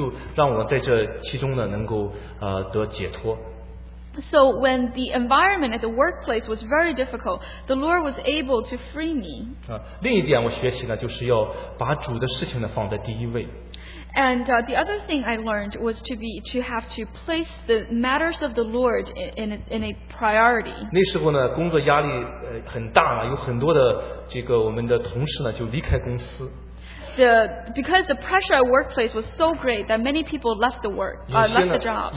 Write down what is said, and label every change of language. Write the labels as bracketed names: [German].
[Chinese] 所以呢，在那个时候呢，那个工作环境很难的时候呢，主就让我在这其中呢，能够得解脱。 [English] So when the environment at the workplace was very difficult, the Lord was able to free me. [Chinese] 另一点我学习呢，就是要把主的事情呢放在第一位。 [English] And the other thing I learned was to have to place the matters of the Lord in a priority. [Chinese] 那时候呢，工作压力很大了，有很多的这个我们的同事呢就离开公司。 [English] Because the pressure at workplace was so great that many people left the work, left the job.